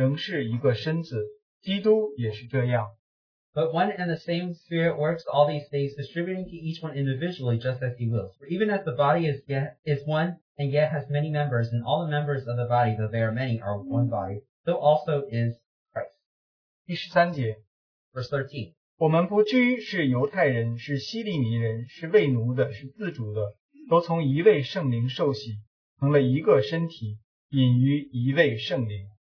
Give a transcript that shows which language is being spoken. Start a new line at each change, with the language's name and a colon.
Chinese: 这一切都是这位圣灵所运行，随己意分给个人的。就如身子是一个，却有许多肢体，而且肢体虽多，仍是一个身子。基督也是这样。
English: But one and the same Spirit works all these things, distributing to each one individually just as He wills. For even as the body is one and yet has many members, and all the members of the body, though they are many, are one body, so also is Christ.
Chinese: 第13节,
English: Verse 13.
Chinese: 我们不拘是犹太人，是希利尼人，是为奴的，是自主的，都从一位圣灵受洗，成了一个身体，隐于一位圣灵。